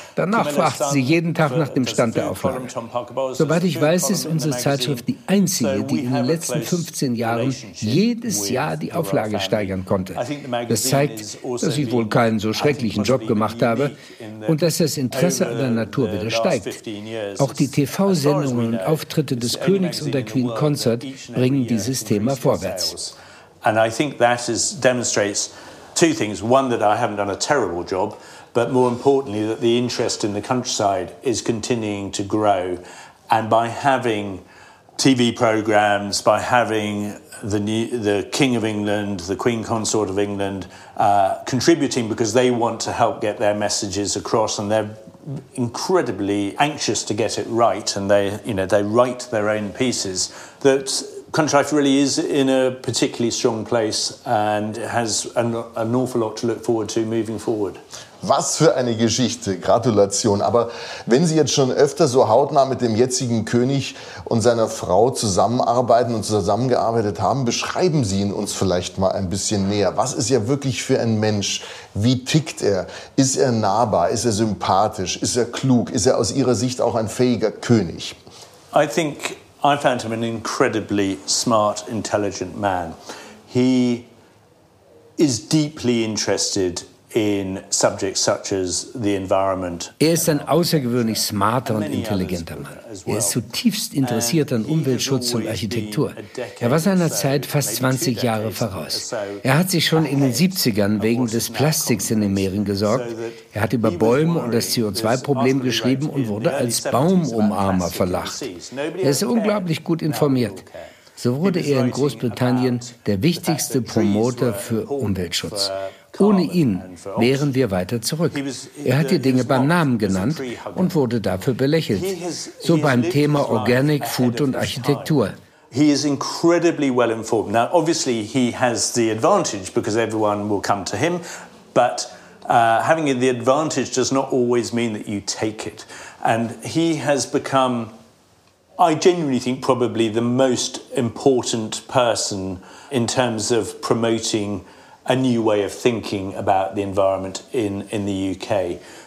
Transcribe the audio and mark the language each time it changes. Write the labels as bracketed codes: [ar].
[de] Danach fragt sie jeden Tag nach dem Stand der Auflage. Soweit ich weiß, ist unsere Zeitschrift die einzige, die in den letzten 15 Jahren jedes Jahr die Auflage steigern konnte. Das zeigt, dass ich wohl keinen so schrecklichen Job gemacht habe und dass das Interesse an der Natur wieder steigt. Auch die TV-Sendungen und Auftritte des Königs und der Queen Consort bringen dieses Thema vorwärts. [en] And I think that is demonstrates two things. One, that I haven't done a terrible job, but more importantly, that the interest in the countryside is continuing to grow. And by having TV programs, by having the King of England, the Queen Consort of England, contributing because they want to help get their messages across, and they're incredibly anxious to get it right, and they, you know, they write their own pieces, that Countryside really is in a particularly strong place and has an awful lot to look forward to moving forward. [de] Was für eine Geschichte, Gratulation. Aber wenn Sie jetzt schon öfter so hautnah mit dem jetzigen König und seiner Frau zusammenarbeiten und zusammengearbeitet haben, beschreiben Sie ihn uns vielleicht mal ein bisschen näher. Was ist er wirklich für ein Mensch? Wie tickt er? Ist er nahbar? Ist er sympathisch? Ist er klug? Ist er aus Ihrer Sicht auch ein fähiger König? [en] I think I found him an incredibly smart, intelligent man. He is deeply interested in subjects such as the environment. [de] Er ist ein außergewöhnlich smarter und intelligenter Mann. Er ist zutiefst interessiert an Umweltschutz und Architektur. Er war seiner Zeit fast 20 Jahre voraus. Er hat sich schon in den 70ern wegen des Plastiks in den Meeren gesorgt. Er hat über Bäume und das CO2-Problem geschrieben und wurde als Baumumarmer verlacht. Er ist unglaublich gut informiert. So wurde er in Großbritannien der wichtigste Promoter für Umweltschutz. Ohne ihn wären wir weiter zurück. Er hat die Dinge beim Namen genannt und wurde dafür belächelt. So beim Thema Organic Food und Architektur. [en] He is incredibly well informed. Now, obviously, he has the advantage because everyone will come to him. But having the advantage does not always mean that you take it. And he has become, I genuinely think, probably the most important person in terms of promoting a new way of thinking about the environment in the UK.